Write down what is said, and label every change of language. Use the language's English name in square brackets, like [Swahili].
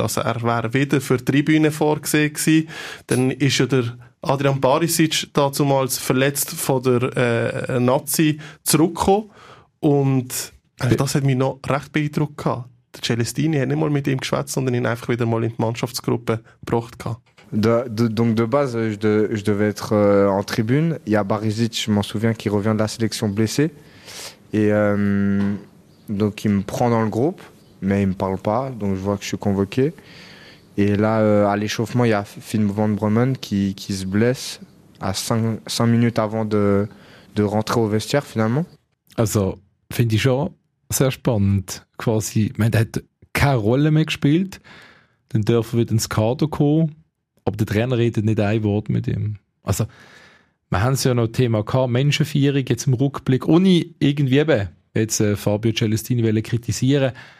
[German] Also er wäre wieder für die Tribüne vorgesehen gewesen. Dann ist ja der Adrian Barisic dazumals verletzt von der Nazi zurückgekommen. Und das hat mich noch recht beeindruckt gehabt. Der Celestini hat nicht mal mit ihm geschwätzt, sondern ihn einfach wieder mal in die Mannschaftsgruppe gebracht gehabt. [French] De base, je devais être en tribune. Il y a Barisic, je m'en souviens, qui revient de la sélection blessé. Et donc, il me prend dans le groupe, mais il ne me parle pas. Donc, je vois que je suis convoqué. Et là, à l'échauffement, il y a Finn Van Bremen qui se blesse à 5 minutes avant de rentrer au vestiaire, finalement. [German] Also, finde ich schon sehr spannend. Quasi, man hat keine Rolle mehr gespielt. Dann dürfen wir ins Kader kommen. Aber der Trainer redet nicht ein Wort mit ihm. Also, wir haben es ja noch ein Thema gehabt, Menschenfeierung, jetzt im Rückblick, ohne irgendwie eben jetzt Fabio Celestini kritisieren.